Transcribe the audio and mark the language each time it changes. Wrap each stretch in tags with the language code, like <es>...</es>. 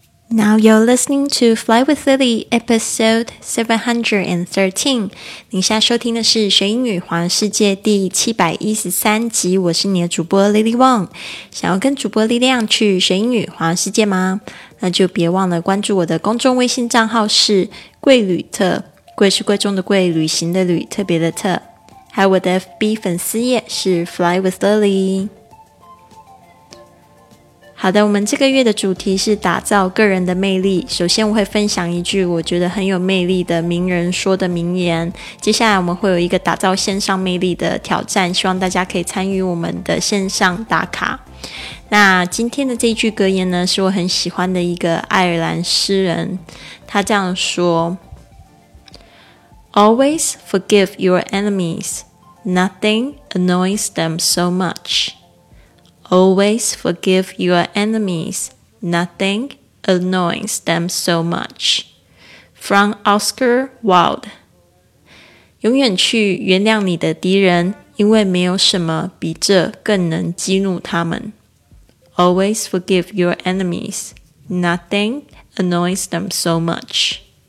<en>Now you're listening to Fly with Lily, episode 713.</en> <zh>你现在收听的是学英语环游世界第713集，我是你的主播 Lily Wong。想要跟主播力量去学英语环游世界吗？那就别忘了关注我的公众微信账号，是贵旅特，贵是贵重的贵，旅行的旅，特别的特。还有我的 FB 粉丝页是 Fly with Lily。好的，我们这个月的主题是打造个人的魅力。首先我会分享一句我觉得很有魅力的名人说的名言，接下来我们会有一个打造线上魅力的挑战，希望大家可以参与我们的线上打卡。那今天的这句格言呢，是我很喜欢的一个爱尔兰诗人，他这样说：</zh> <en>Always forgive your enemies, nothing annoys them so muchAlways forgive your enemies. Nothing annoys them so much. From Oscar Wilde.</en> <zh>永远去原谅你的敌人，因为没有什么比这更能激怒他们。</zh> <en>Always forgive your enemies. Nothing annoys them so much.</en>